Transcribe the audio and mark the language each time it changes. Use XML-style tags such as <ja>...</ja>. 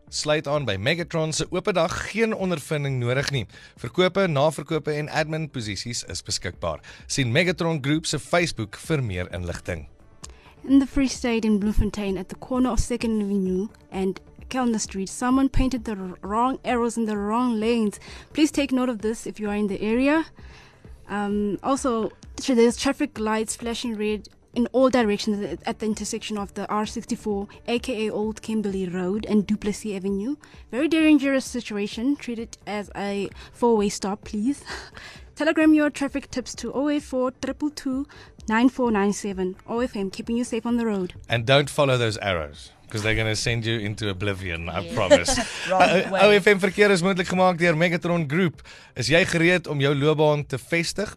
<af>Sluit aan by Megatron se oop dag, geen ondervinding nodig nie. Verkope, naverkope en admin posisies is beskikbaar. Sien Megatron Group se Facebook vir meer inligting.</af> <en>In the Free State in Bloemfontein at the corner of 2nd Avenue and Kellner Street, someone painted the wrong arrows in the wrong lanes. Please take note of this if you are in the area. Also, there's traffic lights flashing red in all directions at the intersection of the R64, aka Old Kimberley Road and Duplessis Avenue. Very dangerous situation. Treat it as a four-way stop, please. Telegram your traffic tips to 084-222-9497. OFM, keeping you safe on the road. And don't follow those arrows, because they're going to send you into oblivion, I promise.</en> <af>OFM Verkeer is moontlik gemaak deur Megatron Group. Is jy gereed om jou loopbaan te vestig?</af>